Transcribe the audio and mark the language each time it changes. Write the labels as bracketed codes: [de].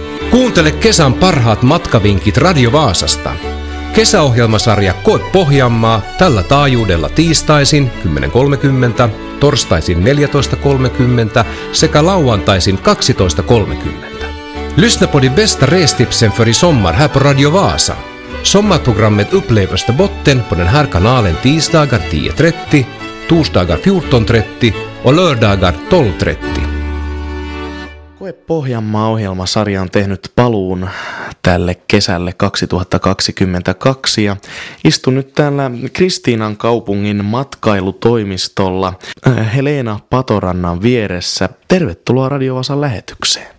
[fi] Kuuntele kesän parhaat matkavinkit Radio Vaasasta. Kesäohjelmasarja Koe Pohjanmaa tällä taajuudella tiistaisin 10.30, torstaisin 14.30 sekä lauantaisin 12.30. [sv] Lyssna på de bästa restipsen för i sommar här på Radio Vaasa. Sommarprogrammet upplevs på botten på den här kanalen tisdagar 10.30, torsdagar 14.30 och lördagar 12.30. [fi] Koe Pohjanmaa-ohjelmasarja on tehnyt paluun tälle kesälle 2022 ja istun nyt täällä Kristiinan kaupungin matkailutoimistolla Helena Patorannan vieressä. Tervetuloa Radio Vaasan lähetykseen.